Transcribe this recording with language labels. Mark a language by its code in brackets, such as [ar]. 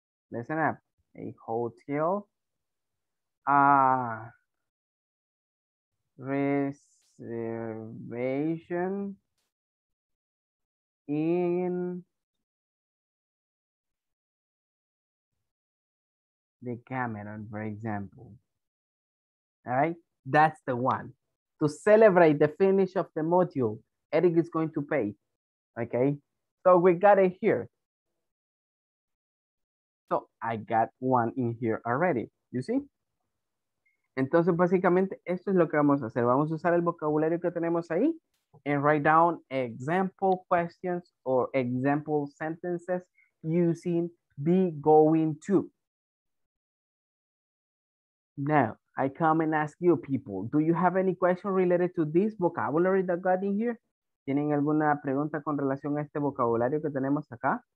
[en] Listen up, a hotel reservation in the Cameron, for example. All right, that's the one. To celebrate the finish of the module, Eric is going to pay, okay? So we got it here. So I got one in here already, you see? [es] Entonces, básicamente, esto es lo que vamos a hacer. Vamos a usar el vocabulario que tenemos ahí [en] and write down example questions or example sentences using be going to. Now, I come and ask you people, do you have any question related to this vocabulary that got in here? [es] ¿Tienen alguna pregunta con relación a este vocabulario que tenemos acá?